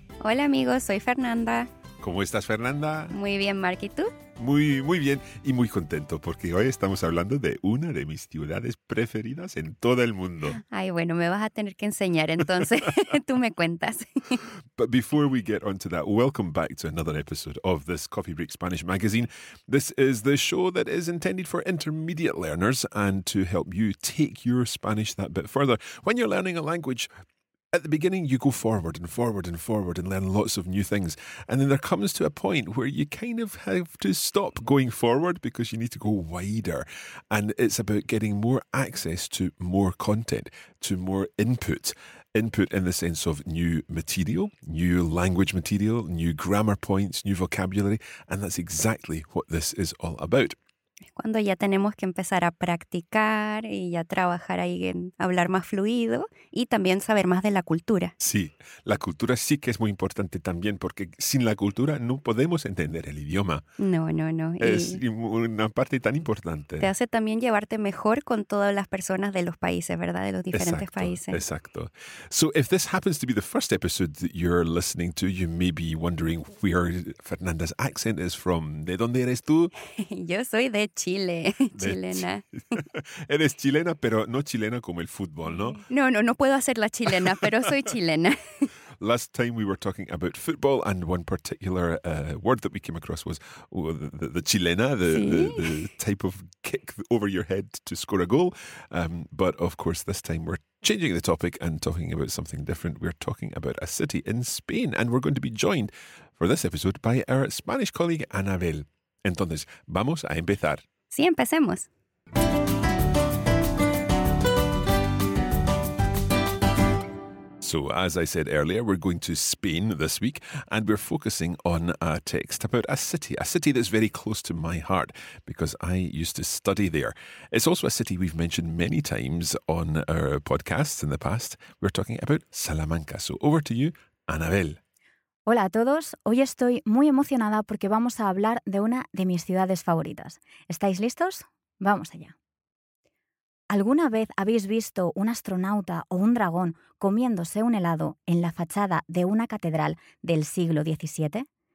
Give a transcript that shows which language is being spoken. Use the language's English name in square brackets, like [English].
[Spanish] Hola amigos, soy Fernanda. ¿Cómo estás, Fernanda? Muy bien, Mark. ¿Y tú? Muy bien y muy contento porque hoy estamos hablando de una de mis ciudades preferidas en todo el mundo. Ay, bueno, me vas a tener que enseñar entonces. Tú me cuentas. [English] But before we get onto that, welcome back to another episode of this Coffee Break Spanish Magazine. This is the show that is intended for intermediate learners and to help you take your Spanish that bit further. When you're learning a language, at the beginning, you go forward and forward and forward and learn lots of new things. And then there comes to a point where you kind of have to stop going forward because you need to go wider. And it's about getting more access to more content, to more input. Input in the sense of new material, new language material, new grammar points, new vocabulary. And that's exactly what this is all about. [Spanish] Cuando ya tenemos que empezar a practicar y ya trabajar ahí en hablar más fluido y también saber más de la cultura. Sí, la cultura sí que es muy importante también porque sin la cultura no podemos entender el idioma. No. Es y una parte tan importante. Te hace también llevarte mejor con todas las personas de los países, ¿verdad? De los diferentes países. Exacto. [English] So if this happens to be the first episode that you're listening to, you may be wondering where Fernanda's accent is from. [Spanish] ¿De dónde eres tú? Yo soy de Chile, chilena. Eres chilena, pero no chilena como el fútbol, ¿no? No puedo hacer la chilena, pero soy chilena. [English] Last time we were talking about football and one particular word that we came across was the chilena, the type of kick over your head to score a goal. But of course, this time we're changing the topic and talking about something different. We're talking about a city in Spain and we're going to be joined for this episode by our Spanish colleague, Anabel. [Spanish] Entonces, vamos a empezar. Sí, empecemos. [English] So, as I said earlier, we're going to Spain this week and we're focusing on a text about a city that's very close to my heart because I used to study there. It's also a city we've mentioned many times on our podcasts in the past. We're talking about Salamanca. So, over to you, Anabel. [Spanish] Hola a todos, hoy estoy muy emocionada porque vamos a hablar de una de mis ciudades favoritas. ¿Estáis listos? ¡Vamos allá! ¿Alguna vez habéis visto un astronauta o un dragón comiéndose un helado en la fachada de una catedral del siglo XVII?